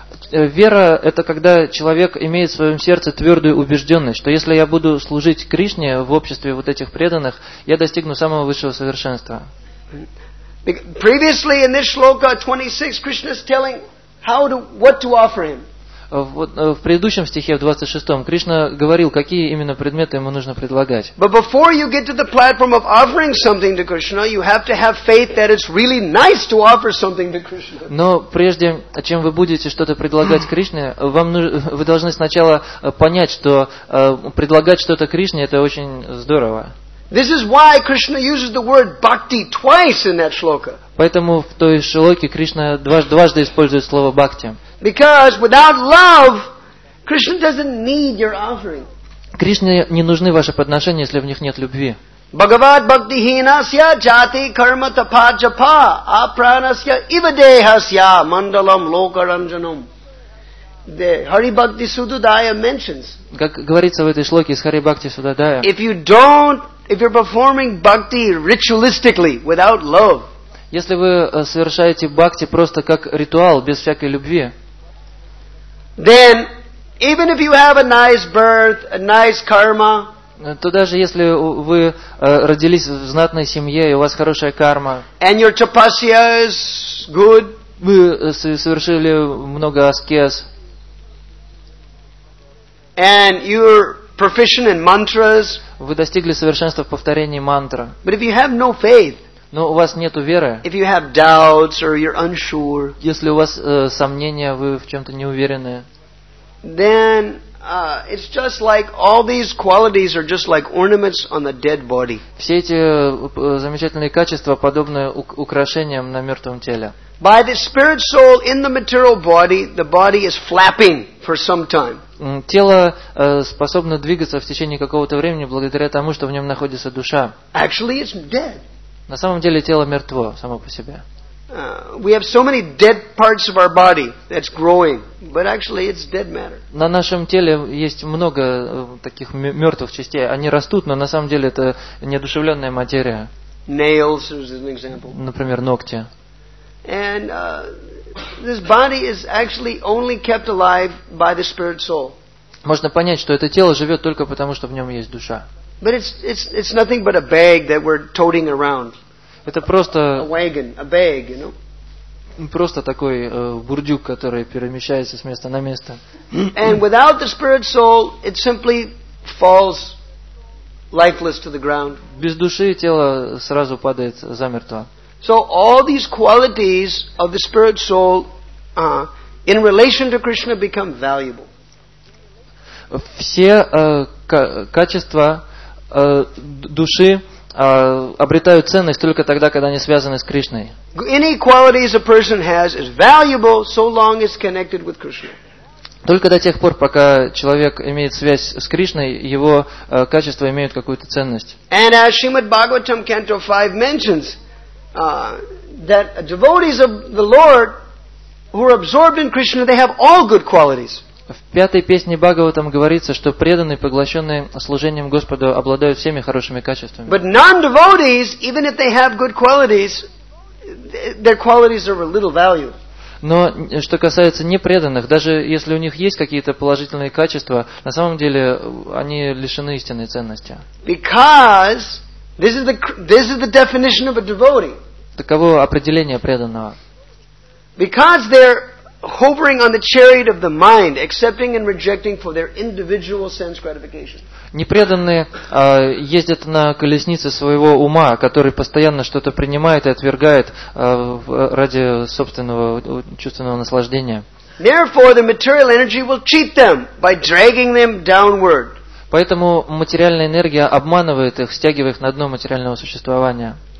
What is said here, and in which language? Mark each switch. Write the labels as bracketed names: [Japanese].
[Russian] Вера – это когда человек имеет в своем сердце твердую убежденность, что если я буду служить Кришне в обществе вот этих преданных, я достигну самого высшего совершенства. [English] Previously in this shloka 26, Krishna is telling [Russian] В предыдущем стихе, в 26-м, Кришна говорил, какие именно предметы ему нужно предлагать. [English] But before you get to the platform of offering something to Krishna, you have to have faith that it's really nice to offer something to Krishna. [Russian] Но прежде чем вы будете что-то предлагать Кришне, вы должны сначала понять, что предлагать что-то Кришне это очень здорово. [English] This is why Krishna uses the word bhakti twice in that shloka. [Russian] Поэтому в той шлоке Кришна дважды использует слово бхакти. [English] Because without love, Krishna doesn't need your offering. [Russian] Кришне не нужны ваши подношения, если в них нет любви. [Sanskrit] Bhagavad bhakti hinasya jati karma tapa japa apranasya ivadehasya mandalam lokaranjanam. [English] The Hari Bhakti Sudhodaya mentions. [Russian] Как говорится в этой шлоке из Хари Бхакти Судодая. [English] If you're performing bhakti ritualistically without love. [Russian] Если вы совершаете бхакти просто как ритуал, без всякой любви, [English] then, even if you have a nice birth, a nice karma, [Russian] то даже если вы родились в знатной семье, и у вас хорошая карма, [English] and your tapasya is good, [Russian] вы совершили много аскез, [English] and you're proficient in mantras, [Russian] вы достигли совершенства в повторении мантры, [English] but if you have no faith, [Russian] но у вас нету веры. [English] If you have doubts or you're unsure, [Russian] если у вас сомнения, вы в чем-то не уверены. [English] Then it's just like all these qualities are just like ornaments on the dead body. [Russian] Все эти замечательные качества подобны украшениям на мертвом теле. [English] By the spirit soul in the material body, the body is flapping for some time. [Russian] Тело способно двигаться в течение какого-то времени благодаря тому, что в нем находится душа. [English] Actually, it's dead. [Russian] На самом деле тело мертво само по себе. [English] We have so many dead parts of our body that's growing, but actually it's dead matter. [Russian] На нашем теле есть много таких мертвых частей. Они растут, но на самом деле это неодушевленная материя. [English] Nails is an example. [Russian] Например, ногти. [English] And this body is actually only kept alive by the spirit soul. [Russian] Можно понять, что это тело живет только потому, что в нем есть душа. [English] But it's nothing but a bag that we're toting around. [Russian] Это просто [English] a wagon, a bag, you know. [Russian] Просто такой бурдюк, который перемещается с места на место. [English] And without the spirit soul, it simply falls lifeless to the ground. [Russian] Без души тело сразу падает замертво. [English] So all these qualities of the spirit soul in relation to Krishna become valuable. [Russian] Все качества души обретают ценность только тогда, когда они связаны с Кришной. [English] Any qualities a person has is valuable so long as connected with Krishna. [Russian] Только до тех пор, пока человек имеет связь с Кришной, его качества имеют какую-то ценность. [English] And as Srimad Bhagavatam Canto 5 mentions that devotees of the Lord who are absorbed in Krishna, they have all good qualities. [Russian] В пятой песне Бхагаватам говорится, что преданные, поглощенные служением Господу, обладают всеми хорошими качествами. [English] But non-devotees, even if they have good qualities, their qualities are of little value. [Russian] Но что касается непреданных, даже если у них есть какие-то положительные качества, на самом деле они лишены истинной ценности. [English] Because this is the definition of a devotee. [Russian] Таково определение преданного. [English] Because they're hovering on the chariot of the mind, accepting and rejecting for their individual sense gratification. [Russian] Непреданные ездят на колеснице своего ума, который постоянно что-то принимает и отвергает ради собственного чувственного наслаждения. [English] Therefore, the material energy will cheat them by dragging them downward. [Russian] Поэтому материальная энергия обманывает их, стягивая их на дно материального существования.